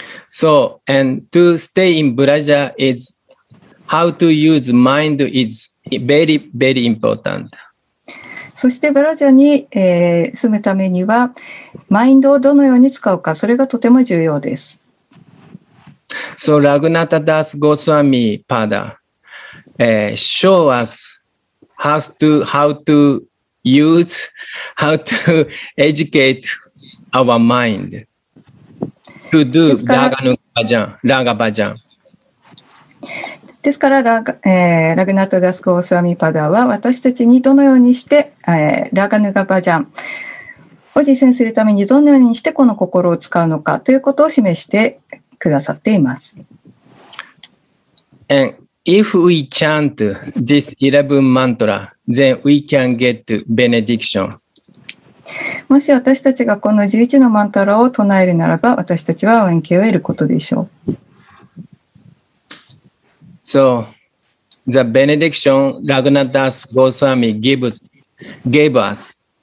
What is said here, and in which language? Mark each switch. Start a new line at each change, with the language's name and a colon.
English: So, and to stay in Braja is how to use mind is very, very important.
Japanese: そしてブラジャに、住むためにはマインドをどのように使うか、それがとても重要です。
English: So, Raghunatha Das Goswami Pada, show us how to educate our mind. To do Raganuga Bhajan.
Japanese: ですから、ラグナタダスゴースワミパダは私たちにどのようにして、ラガヌガバジャンを実践するためにどのようにしてこの心を使うのかということを示してくださっています。
English: And if we chant this 11 mantra, then we can get benediction.
Japanese: もし私たちがこの11のマントラを唱えるならば、私たちは恩恵を得ることでしょう。
English: So, the benediction Raghunatha Das Goswami gives us.